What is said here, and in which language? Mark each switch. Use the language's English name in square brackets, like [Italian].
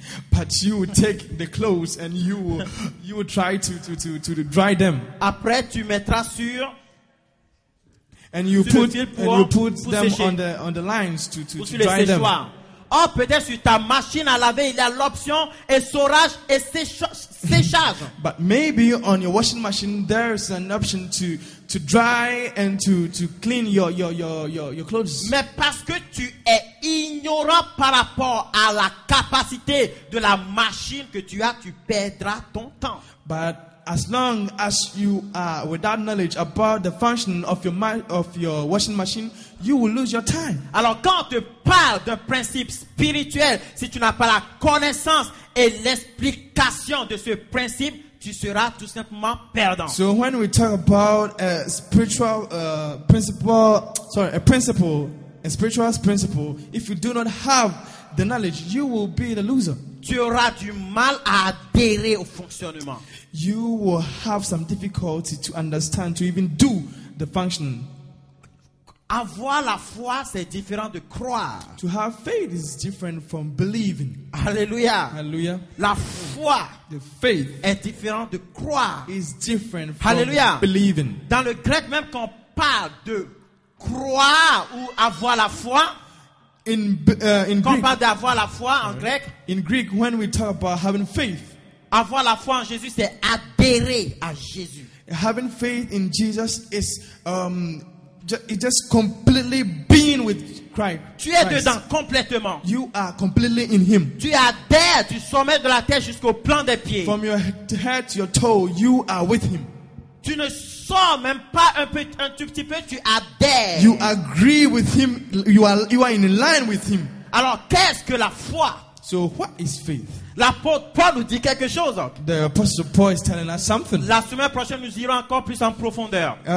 [English] But you will take the clothes and you will try to dry them. [French] Après, tu mettras sur. [English] And you put them on the lines to dry them. [French] Oh, peut-être sur ta machine à laver il y a l'option essorage et séchage. [English] But maybe on your washing machine there is an option to dry and to clean your clothes. [French] Mais parce que tu es ignorant par rapport à la capacité de la machine que tu perdras ton temps. [English] But as long as you are without knowledge about the function of your washing machine, you will lose your time. [French] Alors quand on te parle d'un principe spirituel, si tu n'as pas la connaissance et l'explication de ce principe, tu seras tout simplement perdant. [English] So when we talk about a spiritual principle, if you do not have the knowledge, you will be the loser. [French] Tu auras du mal à adhérer au fonctionnement. [English] You will have some difficulty to understand, to even do the function. [French] Avoir la foi, c'est différent de croire. [English] To have faith is different from believing. [French] Alléluia. Alléluia. La foi, [English] the faith, [French] est différent de croire. [English] Is different from Alléluia. Believing. [French] Dans le grec, même quand on parle de croire ou avoir la foi, [English] in [French] quand [English] Greek, [French] on parle d'avoir la foi en grec, [English] in Greek, when we talk about having faith, [French] avoir la foi en Jésus, c'est adhérer à Jésus. [English] Having faith in Jesus is it's just completely being with Christ. [French] Tu es dedans complètement. [English] You are completely in Him. [French] Tu adhères du sommet de la tête jusqu'au plan des pieds. [English] From your head to your toe, you are with Him. [French] Tu ne sors même pas un tout petit peu, tu adhères. [English] You agree with Him. You are in line with Him. [French] Alors qu'est-ce que la foi? [English] So what is faith? [French] L'apôtre Paul nous dit quelque chose. [English] The apostle Paul is telling us something. [French] La semaine prochaine, nous irons encore plus en profondeur.